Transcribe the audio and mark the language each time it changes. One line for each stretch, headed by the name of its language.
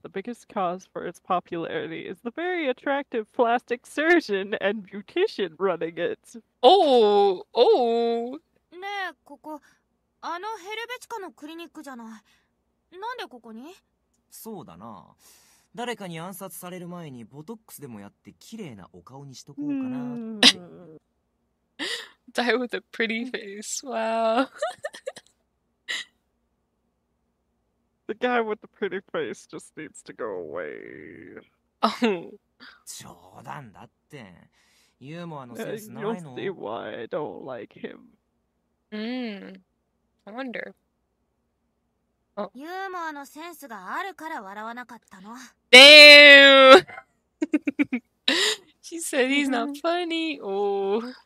English: The biggest cause for its popularity is the very attractive plastic surgeon and beautician running it. Oh!
Japanese: ねえ、ここ。あのヘルベチカのクリニックじゃない。なんでここに？そうだな、誰かに暗殺される前にボトックスでもやって綺麗なお顔にしとこうかなって。
English: Die with a pretty face. Wow. The guy with the pretty face just needs to go away.
Japanese: 冗談だって、ユーモアのセンスないの。
English: You'll see why I don't like him. I wonder.
Japanese: ユーモアのセンスがあるから笑わなかったの。
English: Damn! She said he's not funny. Oh.